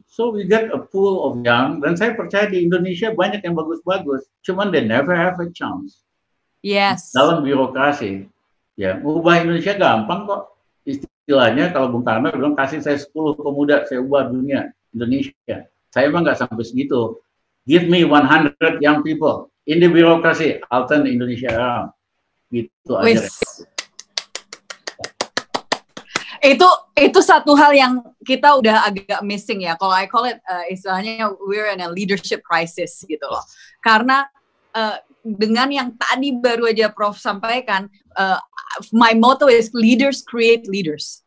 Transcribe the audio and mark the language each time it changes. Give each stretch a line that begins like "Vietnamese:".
English: So we get a pool of young,
Indonesian: dan saya percaya di Indonesia banyak yang bagus-bagus, cuman
English: they never have a chance. Yes.
Indonesian: Dalam birokrasi. Ya, ubah Indonesia gampang kok. Istilahnya kalau Bung Karno bilang kasih saya 10 pemuda, saya ubah dunia Indonesia. Saya emang nggak sampai segitu.
English: Give me 100 young people in the bureaucracy, I'll turn Indonesia around.
Indonesian: Gitu aja. Itu satu hal yang kita udah agak missing ya. Kalau
English: I call it
Indonesian: istilahnya
English: we're in a leadership crisis
Indonesian: gitu loh. Karena dengan yang tadi baru aja Prof sampaikan,
English: my motto is leaders create leaders.